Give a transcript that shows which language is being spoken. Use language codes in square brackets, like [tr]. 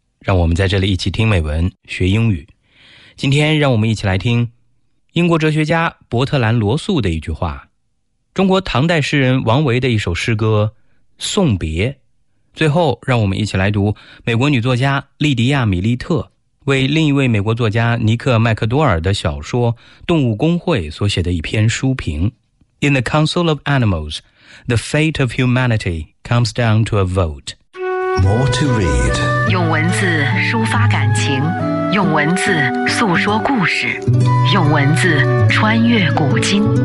[zh] 让我们在这里一起听美文学英语。今天让我们一起来听英国哲学家伯特兰·罗素的一句话，中国唐代诗人王维的一首诗歌《送别》。最后让我们一起来读美国女作家莉迪亚·米利特为另一位美国作家尼克·麦克多尔的小说《动物公会》所写的一篇书评。 [en] In the Council of Animals, the fate of humanity comes down to a vote。 More to read， [zh] 用文字抒发感情，用文字诉说故事，用文字穿越古今。